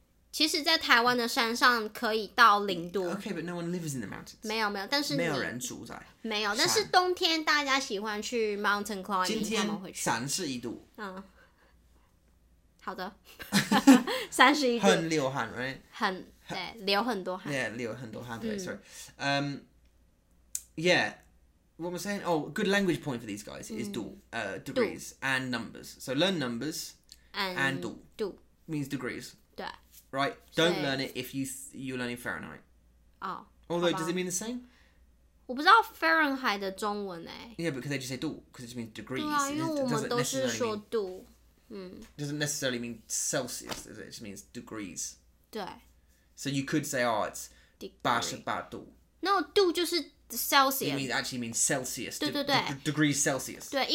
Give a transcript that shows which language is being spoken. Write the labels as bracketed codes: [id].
[zh] 其实在台湾的山上可以到零度。 [en] Okay, but no one lives in the mountains. [zh] 没有，但是你... 没有人住在... 没有，但是冬天大家喜欢去 [en] mountain climbing, [zh] 今天他们会去。31度。嗯。好的。31度。很流汗, [en] right? [zh] 很...对,流很多汗。 [en] Yeah, [zh] 流很多汗, [en] sorry. Yeah, what am I saying? Oh, good language point for these guys is 度, degrees 度.And numbers. So learn numbers and [zh] 度. 度. [en] Means degrees. [zh] 对. [en] Right? Don't learn it if you're learning Fahrenheit. Oh, although, does it mean the same? [zh] 我不知道Fahrenheit的中文欸。 [en] Yeah, because they just say 度, because it just means degrees. [zh] 对啊,因为我们都是说度。 [en] It doesn't necessarily mean Celsius, does it? It just means degrees. [zh] 对。 [en] So you could say, oh, it's 88度. [zh] No, 度就是 Celsius. [en] It actually means Celsius. [zh] 对。 [en] Degrees Celsius.